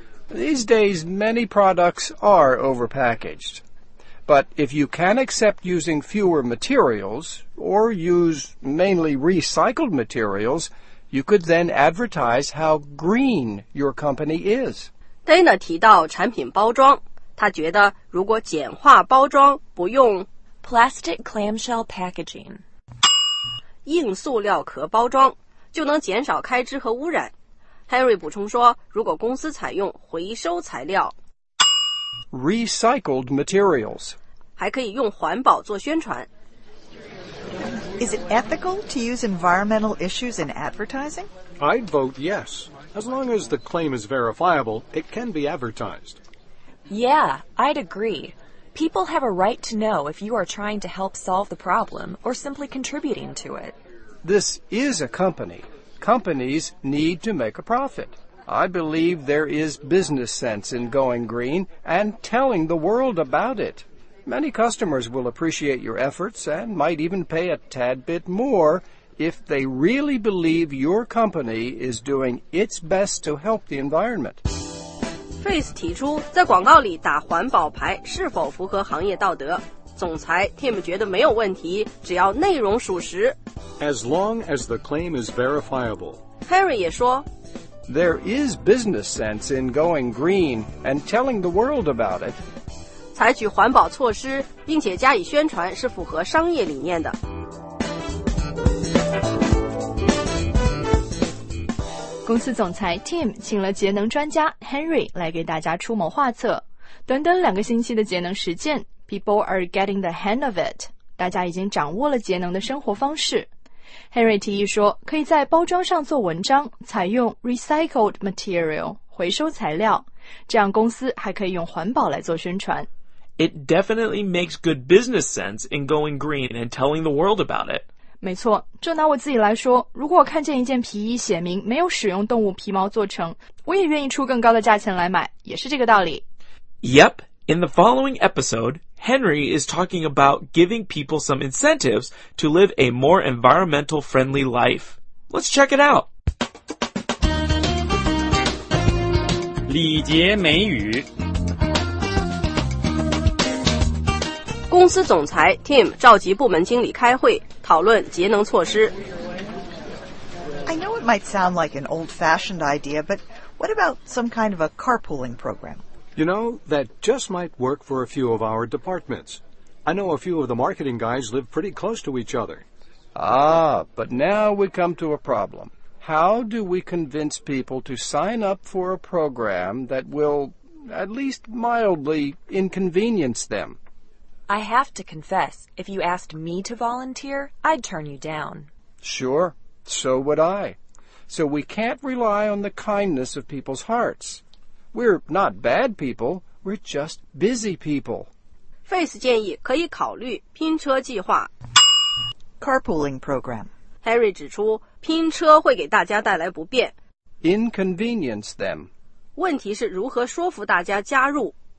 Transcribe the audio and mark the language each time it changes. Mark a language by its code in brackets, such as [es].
[en] These days, many products are overpackaged. But if you can accept using fewer materials, or use mainly recycled materials, you could then advertise how green your company is. [zh] Dana 提到产品包装，他觉得如果简化包装，不用 [en] plastic clamshell packaging [zh] 硬塑料壳包装，就能减少开支和污染。 Henry 补充说，如果公司采用回收材料 [en] recycled materials， [zh] 还可以用环保做宣传。 [en] Is it ethical to use environmental issues in advertising? I'd vote yes. As long as the claim is verifiable, it can be advertised. Yeah, I'd agree. People have a right to know if you are trying to help solve the problem or simply contributing to it. This is a company. Companies need to make a profit. I believe there is business sense in going green and telling the world about it. Many customers will appreciate your efforts and might even pay a tad bit more if they really believe your company is doing its best to help the environment. [zh] Face 提出在广告里打环保牌是否符合行业道德。总裁 Tim 觉得没有问题，只要内容属实。 [en] As long as the claim is verifiable. [zh] Harry 也说 [en] There is business sense in going green and telling the world about it. [zh] 采取环保措施并且加以宣传是符合商业理念的。公司总裁 Tim 请了节能专家 Henry 来给大家出谋划策。短短两个星期的节能实践， [en] People are getting the hang of it， [zh] 大家已经掌握了节能的生活方式。 Henry 提议说可以在包装上做文章，采用 recycled material 回收材料，这样公司还可以用环保来做宣传。 [en] It definitely makes good business sense in going green and telling the world about it. [zh] 没错，就拿我自己来说，如果我看见一件皮衣写明没有使用动物皮毛做成，我也愿意出更高的价钱来买，也是这个道理。 [en] Yep, in the following episode, Henry is talking about giving people some incentives to live a more environmental friendly life. Let's check it out. [zh] 礼节美语公司总裁 Tim 召集部门经理开会，讨论节能措施。 [en] I know it might sound like an old-fashioned idea, but what about some kind of a carpooling program? You know, that just might work for a few of our departments. I know a few of the marketing guys live pretty close to each other. Ah, but now we come to a problem. How do we convince people to sign up for a program that will at least mildly inconvenience them? I have to confess, if you asked me to volunteer, I'd turn you down. Sure, so would I. So we can't rely on the kindness of people's hearts. We're not bad people, we're just busy people. [zh] Face 建议可以考虑拼车计划。 [en] Carpooling program. [zh] Harry 指出拼车会给大家带来不便。 [en] Inconvenience them. [zh] 问题是如何说服大家加入。